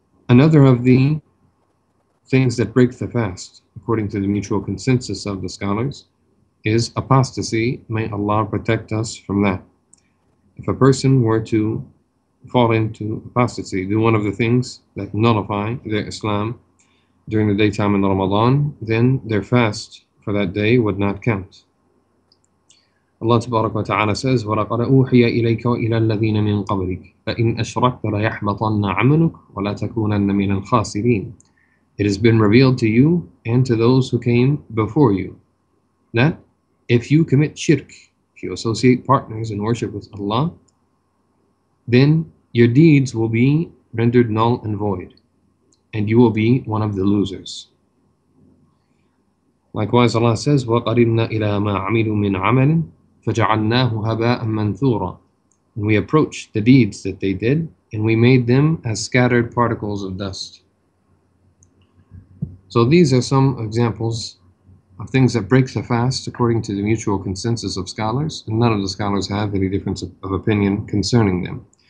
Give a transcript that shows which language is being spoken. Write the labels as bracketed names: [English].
[English] Another of the things that break the fast, according to the mutual consensus of the scholars, is apostasy. May Allah protect us from that. If a person were to fall into apostasy, do one of the things that nullify their Islam during the daytime in Ramadan, then their fast for that day would not count. Allah Tabarak wa Ta'ala says, [Arabic] وَلَقَدْ أُوحِيَ إِلَيْكَ وَإِلَى الَّذِينَ مِنْ قَبْلِكَ فَإِنْ أَشْرَكْتَ لَيَحْبَطَنَّ عَمَلُكَ وَلَتَكُونَنَّ مِنَ الْخَاسِرِينَ. [English] It has been revealed to you and to those who came before you that if you commit shirk, if you associate partners in worship with Allah, then your deeds will be rendered null and void, and you will be one of the losers. Likewise, Allah says, [Arabic] وَقَرِبْنَا إِلَى مَا عَمِلُوا مِنْ عَمَلٍ فَجَعَلْنَاهُ هَبَاءً مَنْثُورًا. [English] And we approached the deeds that they did, and we made them as scattered particles of dust. So these are some examples of things that break the fast according to the mutual consensus of scholars, and none of the scholars have any difference of opinion concerning them.